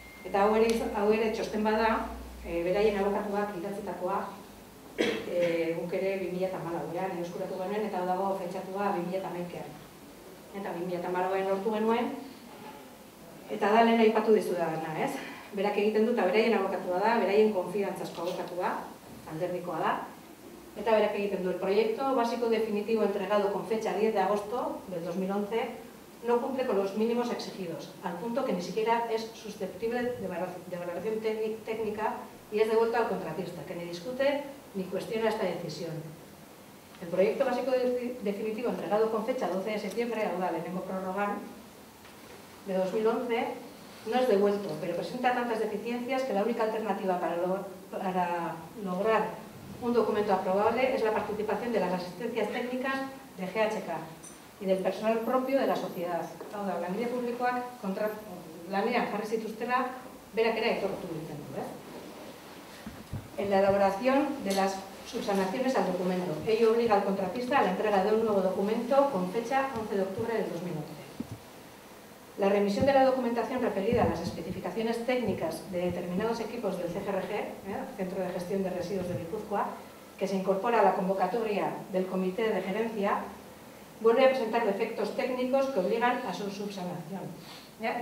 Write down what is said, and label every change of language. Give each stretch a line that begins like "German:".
Basque: Eta hau ere txosten bada, beraien abokatuak idatzitakoa, guk ere 2014ean euskuratu genuen eta dago fetxatua 2011ean. Eta 2014ean lortu genuen, eta da lehen aipatu dizu da dena, ez? Berak egiten du, eta beraien abokatua da, beraien konfiantzazko abokatua, alderdikoa da. Eta berak egiten du,
Spanish: el proyecto básico definitivo entregado con fecha 10 de agosto del 2011 no cumple con los mínimos exigidos, al punto que ni siquiera es susceptible de valoración técnica y es devuelto al contratista, que ni discute ni cuestiona esta decisión. El proyecto básico definitivo entregado con fecha 12 de septiembre, ahora le tengo prorrogan, de 2011, no es devuelto, pero presenta tantas deficiencias que la única alternativa para lograr un documento aprobable es la participación de las asistencias técnicas de GHK y del personal propio de la sociedad.
Basque: Hauda, langile publikoak kontra lanean jarri zituztela, berak ere aitortu egiten du, ¿eh?
Spanish: En la elaboración de las subsanaciones al documento, ello obliga al contratista a la entrega de un nuevo documento con fecha 11 de octubre del 2011. La remisión de la documentación referida a las especificaciones técnicas de determinados equipos del CGRG, Centro de Gestión de Residuos de Gipuzkoa, que se incorpora a la convocatoria del Comité de Gerencia, vuelve a presentar defectos técnicos que obligan a su subsanación. ¿Ya?